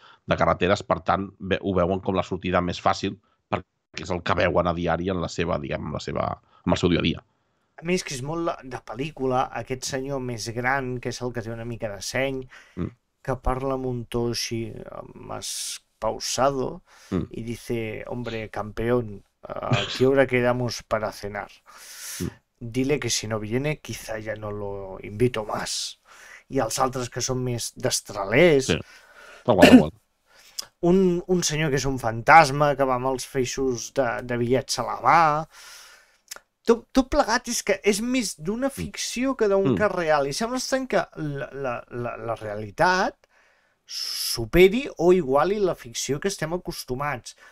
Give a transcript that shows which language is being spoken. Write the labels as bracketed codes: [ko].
[ca] de carreteres, per tant, ho veuen com la sortida més fàcil, perquè és el que veuen a diari en la seva, diguem, la seva, en el seu dia a dia. A més, que és molt de pel·lícula, aquest senyor més gran, que és el que té una mica de seny, que parla amb un to així [es] más pausado, [ca] i [es] dice, hombre, campeón, ¿a qué hora quedamos para cenar? Dile que si no viene, quizá ya no lo invito más. [ca] I els altres que són més destralers. Sí, igual, igual. Un senyor que és un fantasma, que va amb els feixos de bitllets a la mà. Tot plegat és que és més d'una ficció que d'un cas real. I sembla estrany que la realitat superi o iguali la ficció que estem acostumats.